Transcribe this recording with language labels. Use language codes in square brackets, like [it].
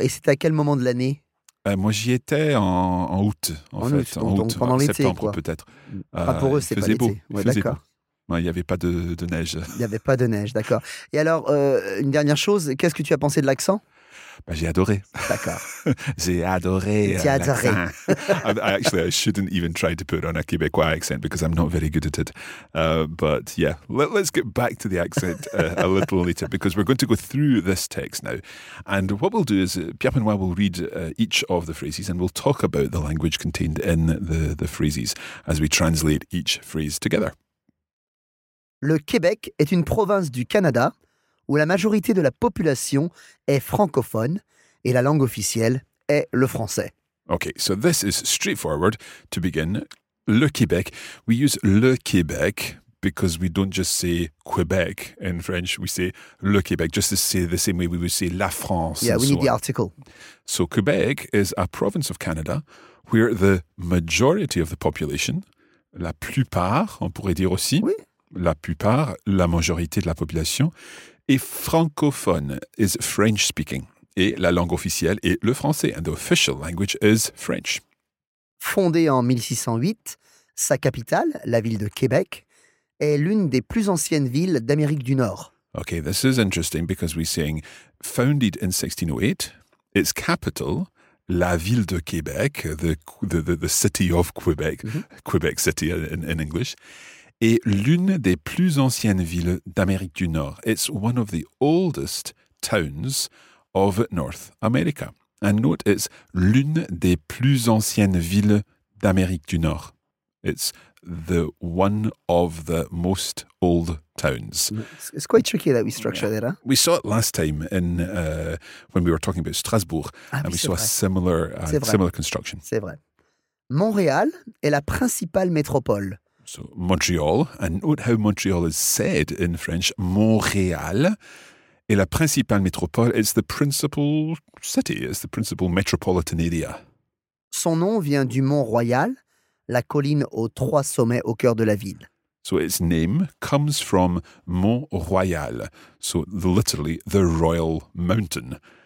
[fr] Et c'était à quel moment de l'année? Moi, j'y étais en août, en fait. En août, donc pendant l'été, septembre, quoi. Peut-être. Pas pour eux, c'est pas l'été. Beau. Ouais, d'accord. Beau. Il n'y avait pas de neige. Il n'y avait pas de neige, d'accord. Et alors, une dernière chose, qu'est-ce que tu as pensé de l'accent? J'ai adoré. D'accord. J'ai adoré. J'ai adoré. [en] Actually, I shouldn't even try to put on a Québécois accent because I'm not very good at it. But yeah, let's get back to the accent a little later because we're going to go through this text now. And what we'll do is Pierre Benoit will read each of the phrases and we'll talk about the language contained in the phrases as we translate each phrase together. [fr] Le Québec est une province du Canada où la majorité de la population est francophone et la langue officielle est le français. [en] Okay, so this is straightforward to begin. Le Québec, we use le Québec because we don't just say Quebec in French, we say le Québec, just to say the same way we would say la France. Yeah, and we so need on. The article. So Quebec is a province of Canada where the majority of the population, [fr] la plupart, on pourrait dire aussi, oui. La plupart, la majorité de la population, et francophone [en] is French speaking. [fr] Et la langue officielle est le français. [en] And the official language is French. [fr] Fondée en 1608, sa capitale, la ville de Québec, est l'une des plus anciennes villes d'Amérique du Nord. [en] Okay, this is interesting because we're saying founded in 1608, its capital, la ville de Québec, the city of Quebec, mm-hmm. Quebec City in English, [fr] est l'une des plus anciennes villes d'Amérique du Nord. [en] It's one of the oldest towns of North America. And note, it's [fr] l'une des plus anciennes villes d'Amérique du Nord. [en] It's the one of the most old towns. It's quite tricky that we structure that, huh? We saw it last time in when we were talking about Strasbourg, ah, and [fr] oui, [en] we saw [fr] vrai. [en] A similar, similar construction. [fr] C'est vrai. Montréal est la principale métropole. [en] So, Montreal, and note how Montreal is said in French, Montréal, [fr] est la principale métropole, [en] it's the principal city, it's the principal metropolitan area. [fr] Son nom vient du Mont Royal, la colline aux 3 sommets au cœur de la ville. [en] So, its name comes from Mont Royal, so literally, the Royal Mountain.